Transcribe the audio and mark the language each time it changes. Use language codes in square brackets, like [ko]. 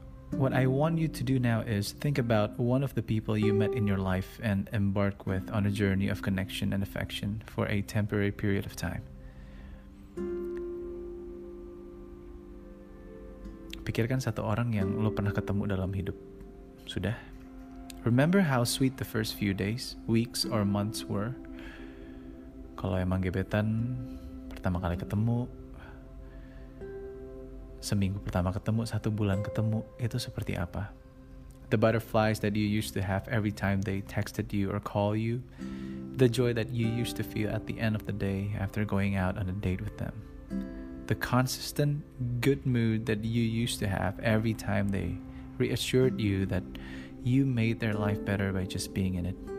[en] What I want you to do now is think about one of the people you met in your life and embark with on a journey of connection and affection for a temporary period of time. [id] Pikirkan satu orang yang lo pernah ketemu dalam hidup. Sudah? [en] Remember how sweet the first few days, weeks, or months were? [id] Kalau emang gebetan, pertama kali ketemu, seminggu pertama ketemu, satu bulan ketemu, itu seperti apa? [en] The butterflies that you used to have every time they texted you or call you. The joy that you used to feel at the end of the day after going out on a date with them. The consistent good mood that you used to have every time they reassured you that you made their life better by just being in it.